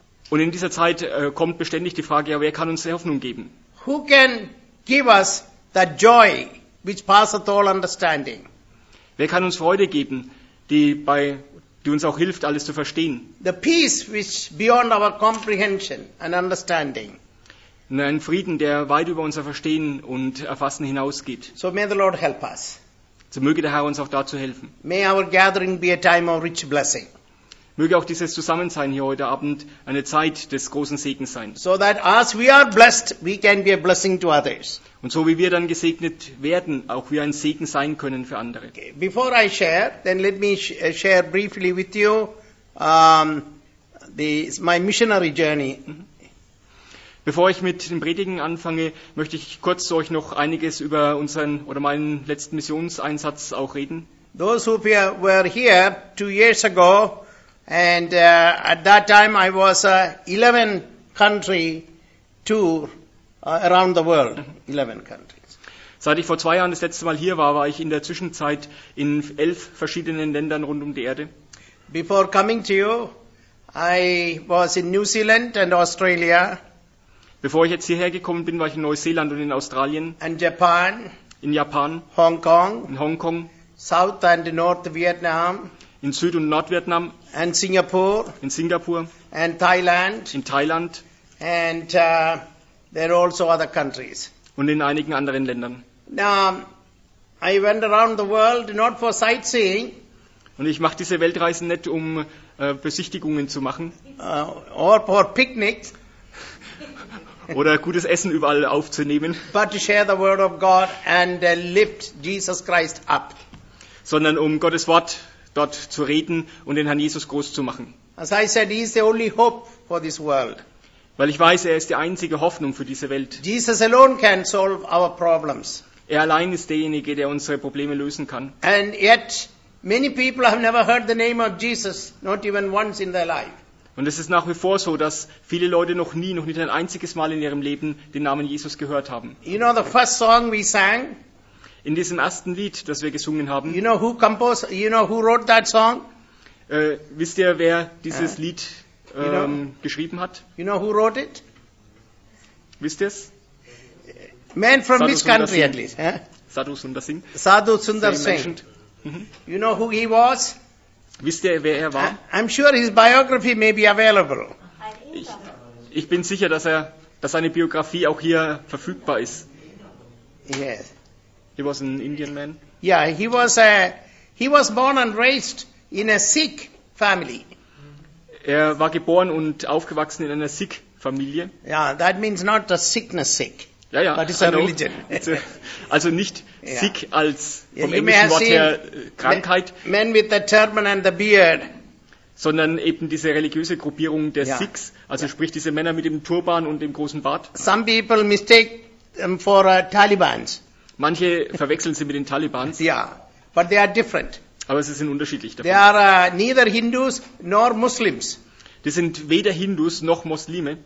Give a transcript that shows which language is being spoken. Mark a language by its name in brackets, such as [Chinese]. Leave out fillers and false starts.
[German] Und in dieser Zeit kommt beständig die Frage, ja, wer kann uns Hoffnung geben? [English] Who can give us the joy which passeth all understanding? [German] Wer kann uns Freude geben, die uns auch hilft, alles zu verstehen? [English] The peace which beyond our comprehension and understanding. [German] Ein Frieden, der weit über unser Verstehen und Erfassen hinausgeht. [English] So may the Lord help us. [German] So möge der Herr uns auch dazu helfen. [English] May our gathering be a time of rich blessing. [German] Möge auch dieses Zusammensein hier heute Abend eine Zeit des großen Segens sein. [English] So that as we are blessed, we can be a blessing to others. [German] Und so wie wir dann gesegnet werden, auch wir ein Segen sein können für andere. [English] Okay. Before I share, then let me share briefly with you my missionary journey. [German] Bevor ich mit dem Predigen anfange, möchte ich kurz zu euch noch einiges über unseren oder meinen letzten Missionseinsatz auch reden. [English] Those who were here 2 years ago, and at that time I was 11 country tour around the world, 11 countries. [German] Seit ich vor 2 Jahren das letzte Mal hier war, war ich in der Zwischenzeit in 11 verschiedenen Ländern rund um die Erde. [English] Before coming to you, I was in New Zealand and Australia. [German] Bevor ich jetzt hierher gekommen bin, war ich in Neuseeland und in Australien. [English] And Japan. [German] In Japan. [English] Hong Kong. [German] In Hongkong. [English] South and North Vietnam. [German] In Süd- und Nordvietnam. [English] And Singapore. [German] In Singapur. [English] And Thailand. [German] In Thailand. [English] And there are also other countries. [German] Und in einigen anderen Ländern. [English] Now, I went around the world not for sightseeing. [German] Und ich mache diese Weltreisen nicht, um Besichtigungen zu machen. [English] Or for picnics. [German] Oder gutes Essen überall aufzunehmen. [English] But to share the word of God and lift Jesus Christ up. [German] Sondern um Gottes Wort dort zu reden und den Herrn Jesus groß zu machen. [English] As I said, he is the only hope for this world. [German] Weil ich weiß, er ist die einzige Hoffnung für diese Welt. [English] Jesus alone can solve our problems. [German] Er allein ist derjenige, der unsere Probleme lösen kann. [English] And yet, many people have never heard the name of Jesus, not even once in their life. [German] Und es ist nach wie vor so, dass viele Leute noch nicht ein einziges Mal in ihrem Leben den Namen Jesus gehört haben. [English] You know the first song we sang? [German] In diesem ersten Lied, das wir gesungen haben. [English] You know who composed, you know who wrote that song? [German] Wisst ihr, wer dieses Lied geschrieben hat? [English] You know who wrote it? [German] Wisst ihr es? [English] Man from Sadhu this country at least. [German] Sadhu Sundar Singh. [English] Sadhu Sundar Singh. You know who he was? [German] Wisst ihr, wer er war? [English] I'm sure his biography may be available. [German] Ich bin sicher, dass seine Biografie auch hier verfügbar ist. [English] Yes. He was an Indian man. Yeah, he was born and raised in a Sikh family. [German] Er war geboren und aufgewachsen in einer Sikh Familie. [English] Yeah, that means not the sickness Sikh. [German] Ja, ja. [English] But it's a religion. [German] Also nicht Sikh als vom englischen Wort her Krankheit, [English] men with the turban and the beard. [German] Sondern eben diese religiöse Gruppierung der Sikhs, also sprich diese Männer mit dem Turban und dem großen Bart. [English] Some people mistake them for Talibans. [German] Manche verwechseln sie mit den Talibans. [English] Yeah, but they are different. [German] Aber sie sind unterschiedlich davon. [English] They are neither Hindus nor Muslims. [German] Die sind weder Hindus noch Muslime.